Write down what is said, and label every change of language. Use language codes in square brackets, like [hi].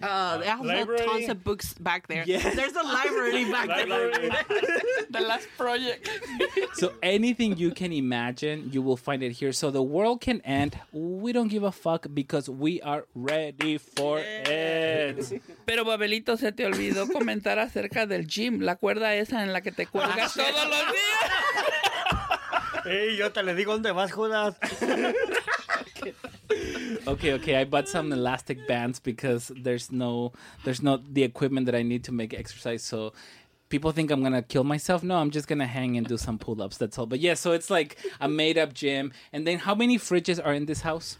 [en] They have tons of books back there. Yes. There's a library back there. The last project. So anything you can imagine, you will find it here. So the world can end. We don't give a fuck because we are ready for it. [es] Pero Babelito, se te olvidó comentar acerca del gym, la cuerda esa en la que te cuelgas todos los días. Hey, yo te le digo dónde vas, Judas. [en] Okay, I bought some elastic bands because there's no the equipment that I need to make exercise. So people think I'm going to kill myself. No, I'm just going to hang and do some pull-ups. That's all. But yeah, so it's like a made-up gym. And then how many fridges are in this house?